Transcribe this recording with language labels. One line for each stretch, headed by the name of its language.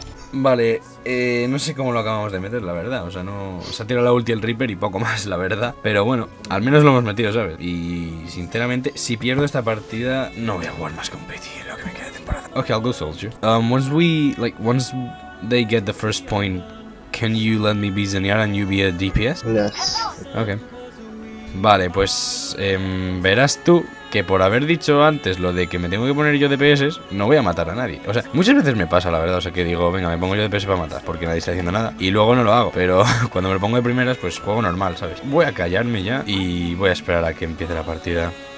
Spanish: Vale, no sé cómo lo acabamos de meter, la verdad. O sea, no. Se ha tirado la ulti el Reaper y poco más, la verdad. Pero bueno, al menos lo hemos metido, ¿sabes? Y sinceramente, si pierdo esta partida, no voy a jugar más competitivo, lo que me queda de temporada.
English: Okay, I'll go soldier. Once they get the first point, can you let me be Zenyatta and you be a DPS? Yes.
Spanish: Okay. Vale, pues verás tú. Que por haber dicho antes lo de que me tengo que poner yo DPS, no voy a matar a nadie. O sea, muchas veces me pasa, la verdad. O sea, que digo, venga, me pongo yo DPS para matar, porque nadie está haciendo nada. Y luego no lo hago. Pero cuando me lo pongo de primeras, pues juego normal, ¿sabes? Voy a callarme ya y voy a esperar a que empiece la partida.